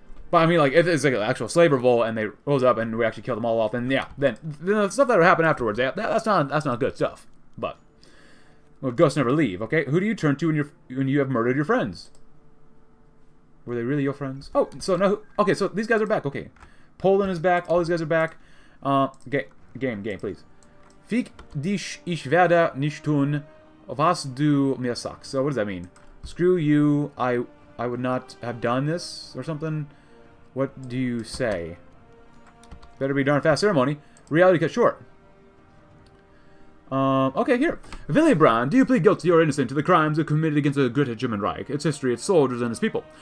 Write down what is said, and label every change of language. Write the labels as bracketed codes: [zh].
[en] But I mean, like, if it's like an actual slave revolt and they rose up and we actually killed them all off, then yeah, then the stuff that would happen afterwards, yeah, that's not good stuff. But well, ghosts never leave. Okay, who do you turn to when you have murdered your friends? Were they really your friends? Oh, so now, okay, so these guys are back. Okay, Poland is back. All these guys are back. Game, please. [de] Fick dich, ich werde nicht tun, was du mir sagst. [en] So what does that mean? Screw you, I would not have done this or something? What do you say? Better be darn fast ceremony. Reality cut short. Okay, here. Willy Brandt, do you plead guilty or innocent to the crimes you committed against the great German Reich, its history, its soldiers, and its people?